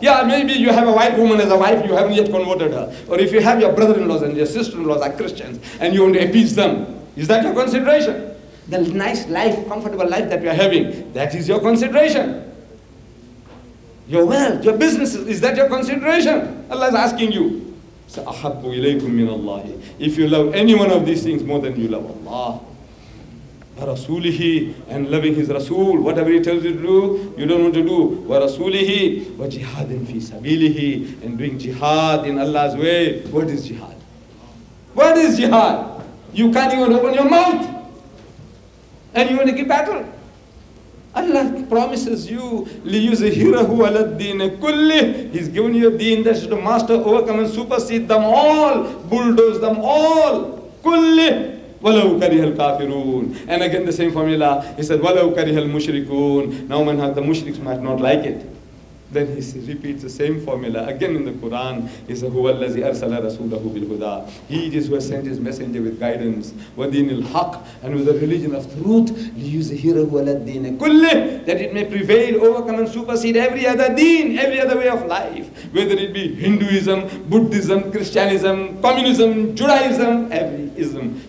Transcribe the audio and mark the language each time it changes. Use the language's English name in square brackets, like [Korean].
[English] Yeah, maybe you have a white woman as a wife, you haven't yet converted her. Or if you have your brother-in-laws and your sister-in-laws are Christians and you want to appease them, is that your consideration? The nice life, comfortable life that you are having, that is your consideration. Your wealth, your businesses, is that your consideration? Allah is asking you. [Arabic] So, أَحَبُّ إِلَيْكُمْ مِنَ اللَّهِ. [English] If you love any one of these things more than you love Allah, [Arabic] وَرَسُولِهِ, [English] and loving His Rasul, whatever He tells you to do, you don't want to do. [Arabic] وَرَسُولِهِ وَجِهَادٍ فِي سَبِيلِهِ, [English] and doing jihad in Allah's way. What is jihad? What is jihad? You can't even open your mouth. And you want to give battle. Allah promises you, [Arabic] لِيُزِهِرَهُ عَلَى الدِّينَ كُلِّهِ. [English] He's given you a deen that should master, overcome and supersede them all, bulldoze them all. [Arabic] كُلِّهِ وَلَوْ كَرِهَ الْكَافِرُونَ. [English] And again the same formula, he said, [Arabic] وَلَوْ كَرِهَ الْمُشْرِكُونَ. [English] Now when the mushriks might not like it, then he repeats the same formula again in the Quran. He says, [Arabic] هُوَ الَّذِي أَرْسَلَ رَسُولَهُ بِالْهُدَىٰ. [English] He is who has sent his messenger with guidance, [Arabic] وَدِينِ الْحَقِّ, [English] and with the religion of truth, [Arabic] لِيُزْهِرَهُ عَلَى الدِّينِ كُلِّهِ, [English] that it may prevail, overcome and supersede every other deen, every other way of life, whether it be Hinduism, Buddhism, Christianism, Communism, Judaism, every ism.